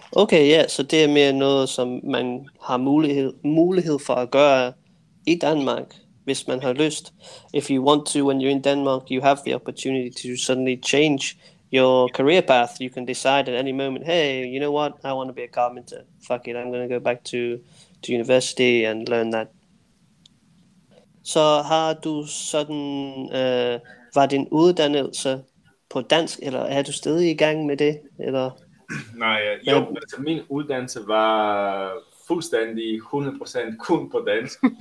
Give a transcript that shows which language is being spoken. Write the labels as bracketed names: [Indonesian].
[Danish] Okay, ja, så det er mere noget, som man har mulighed for at gøre i Danmark, hvis man har lyst. [English] If you want to, when you're in Denmark, you have the opportunity to suddenly change your career path. You can decide at any moment, hey, you know what, I want to be a carpenter, fuck it, I'm going to go back to university and learn that. [Danish] Så har du sådan, var din uddannelse på dansk, eller er du stadig i gang med det, eller? Nej, altså min uddannelse var fuldstændig 100% kun på dansk.